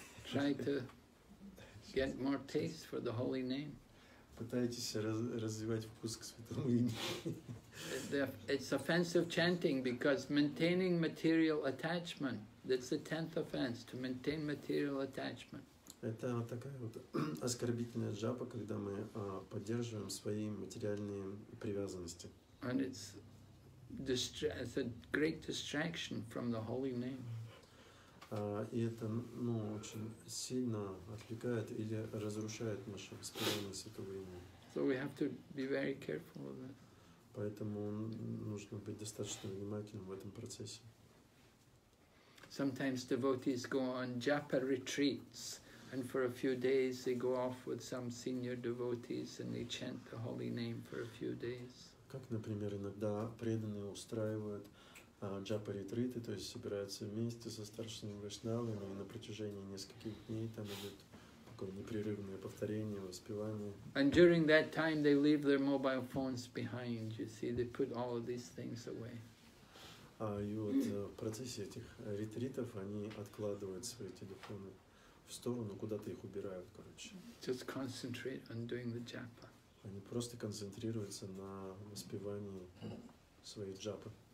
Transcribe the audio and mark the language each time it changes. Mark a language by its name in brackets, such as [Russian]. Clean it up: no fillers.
[English] Try to get more taste for the holy name. [Russian] Пытаетесь развивать вкус к святому имени. [English] It's offensive chanting because maintaining material attachment. That's the 10th offense, to maintain material attachment. [Russian] Это такая вот оскорбительная джапа, когда мы поддерживаем свои материальные привязанности. [English] And it's a great distraction from the holy name. [Russian] И это, ну, очень сильно отвлекает или разрушает наше восприятие святого имени. [English] So we have to be very careful of that. [Russian] Поэтому нужно быть достаточно внимательным в этом процессе. [English] Sometimes devotees go on japa retreats, and for a few days they go off with some senior devotees and they chant the holy name for a few days. [Russian] Как, например, иногда преданные устраивают джапа ретриты, то есть собираются вместе со старшими вайшнавами на протяжении нескольких дней там идет такое непрерывное повторение, воспевание. [English] And during that time they leave their mobile phones behind, you see, they put all of these things away. [Russian] И вот в процессе этих ретритов они откладывают свои телефоны в сторону, куда-то их убирают, короче. [English] Just concentrate on doing the japa. [Russian] Они просто концентрируются на воспевании своей джапы.